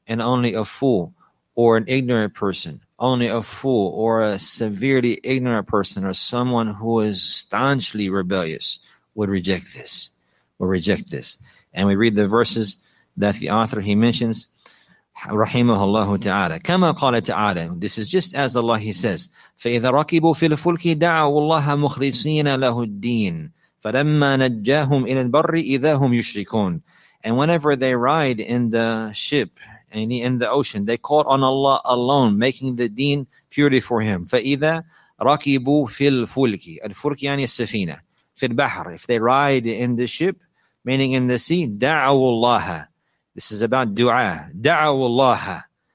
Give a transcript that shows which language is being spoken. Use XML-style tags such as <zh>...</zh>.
<en>And only a fool or an ignorant person, only a fool or a severely ignorant person or someone who is staunchly rebellious would reject this. And we read the verses that the author, he mentions,</en> <ar>rahimahullahu ta'ala. Kama qala ta'ala.</ar> <en>This is just as Allah, he says,</en> <ar>فَإِذَا رَكِبُوا فِي الْفُلْكِ دَعَوُوا اللَّهَ مُخْلِصِينَ لَهُ الدِّينَ فَلَمَّا نَجَّاهُمْ إِلَى الْبَرِّ إِذَا هُمْ يُشْرِكُونَ.</ar> <en>And whenever they ride in the ship, in the ocean, they call on Allah alone, making the deen purely for Him.</en> <ar>فَإِذَا رَكِبُوا فِي الْفُلْكِ. الْفُلْكِ السَّفِينَةِ فِي الْبَحْرِ.</ar> <en>If they ride in the ship, meaning in the sea,</en> <ar>دَعَوُوا اللَّهَ.</ar> <en>This is about dua. دَعَوُوا اللَّهَ.</en>